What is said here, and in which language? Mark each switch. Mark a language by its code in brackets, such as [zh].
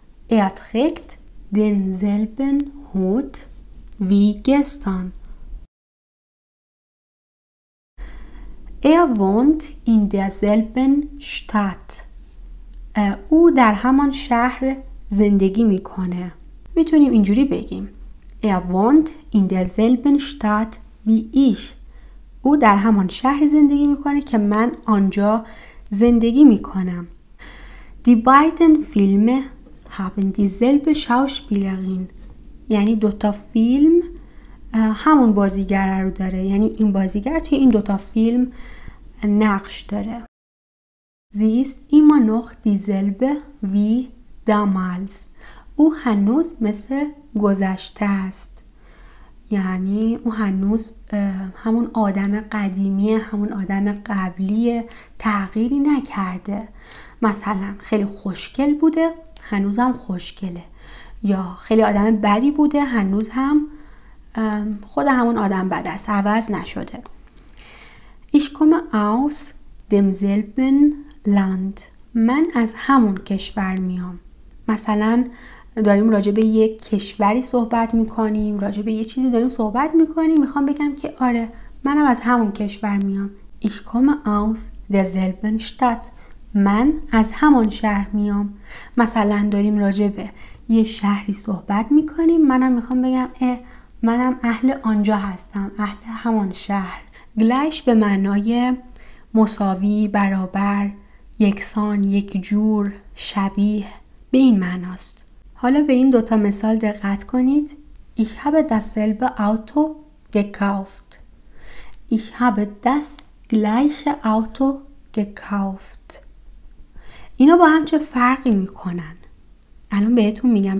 [de] trägt denselben Hut wie gestern. wohnt in derselben Stadt. [fa] او در همان شهر زندگی میکنه. میتونیم اینجوری بگیم. [de] wohnt in derselben Stadt wie ich. [fa] او در همان شهر زندگی میکنه که من آنجا زندگی میکنم. [de] Die beiden Filme haben dieselbe Schauspielerin. [fa] یعنی دوتا فیلم همون بازیگر رو داره. یعنی این بازیگر توی این دوتا فیلم نقش داره. [de] Sie ist immer noch dieselbe wie damals. [fa] او هنوز مثل گذشته است. یعنی او هنوز همون آدم قدیمیه، همون آدم قبلیه، تغییری نکرده. مثلا خیلی خوشگل بوده، هنوزم خوشگله. یا خیلی آدم بدی بوده، هنوز هم خود همون آدم بد است، عوض نشده. [de] Ich komme aus demselben Land. [fa] من از همون کشور میام. مثلا داریم راجع به یک کشوری صحبت میکنیم، راجع به یه چیزی داریم صحبت میکنیم، میخوام بگم که آره منم از همون کشور میام. [de] Ich komme aus derselben Stadt. [fa] من از همون شهر میام. مثلا داریم راجع به یه شهری صحبت میکنیم، منم میخوام بگم منم اهل آنجا هستم، اهل همون شهر. گلش به معنای مساوی، برابر، یکسان، یک جور، شبیه، به این معناست. حالا به این دوتا مثال دقت کنید. [de] Ich habe dasselbe Auto gekauft. Ich habe das gleiche Auto gekauft. [fa] اینا با هم چه فرقی میکنن؟ الان بهتون میگم.